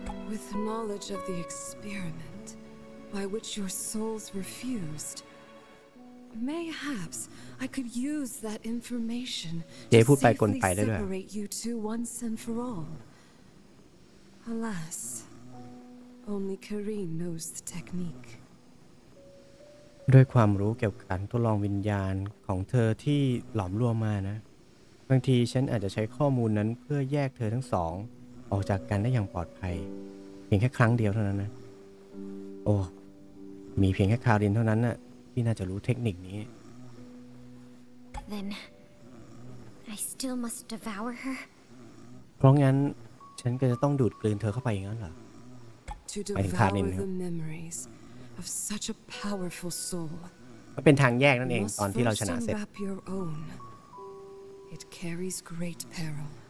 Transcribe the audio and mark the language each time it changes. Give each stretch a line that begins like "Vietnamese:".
English: With knowledge of the experiment by which your souls were fusedMayhaps I could use that information to separate you two once and for all. Alas, only Karine knows the technique.
Thai: ด้วยความรู้เกี่ยวกับการทดลองวิญญาณของเธอที่หลอมรวมมานะบางทีฉันอาจจะใช้ข้อมูลนั้นเพื่อแยกเธอทั้งสองออกจากกันได้อย่างปลอดภัยเพียงแค่ครั้งเดียวเท่านั้นนะโอ้มีเพียงแค่คารินเท่านั้นน่ะพี่น่าจะรู้เทคนิคนี้
English: Then I still must devour her
Thai: เพราะงั้นฉันก็จะต้องดูดกลืนเธอเข้าไปอย่างนั้นเหรอ
English: To devour the memories of such a powerful soul
Thai: มันเป็นทางแยกนั่นเองตอนที่เราชนะเสร็จ
English: Must first unwrap your own It carries great peril